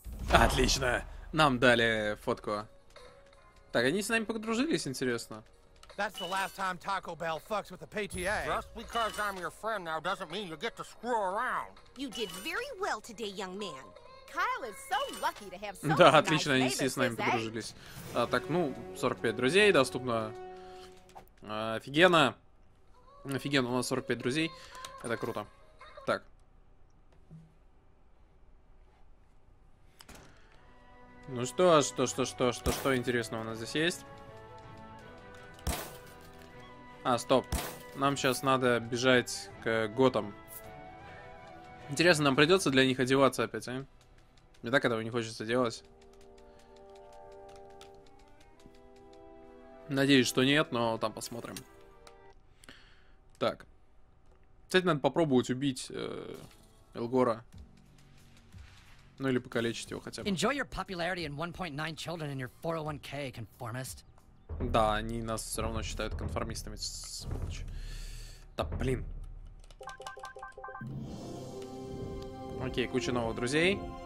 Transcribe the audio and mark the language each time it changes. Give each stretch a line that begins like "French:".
Russian: Отлично. Нам дали фотку. Так, они с нами подружились, интересно.
English: That's the last time Taco Bell fucks with the PTA. Just because I'm your friend now doesn't mean you get to screw around. You did very well today, young man. Kyle is so lucky to have so
Russian: Да, отлично, они все с нами подружились. А, так, ну, 45 друзей доступно. Офигенно. Офигенно, у нас 45 друзей. Это круто. Так. Ну что, что интересного у нас здесь есть? А, стоп. Нам сейчас надо бежать к готам. Интересно, нам придется для них одеваться опять, а? Мне так этого не хочется делать. Надеюсь, что нет, но там посмотрим. Так. Кстати, надо попробовать убить Элгора. Ну или покалечить его хотя бы.
English: Enjoy your popularity and 1.9 children in your 401k, conformist.
Russian: Да, они нас все равно считают конформистами. Да, блин. Окей, куча новых друзей.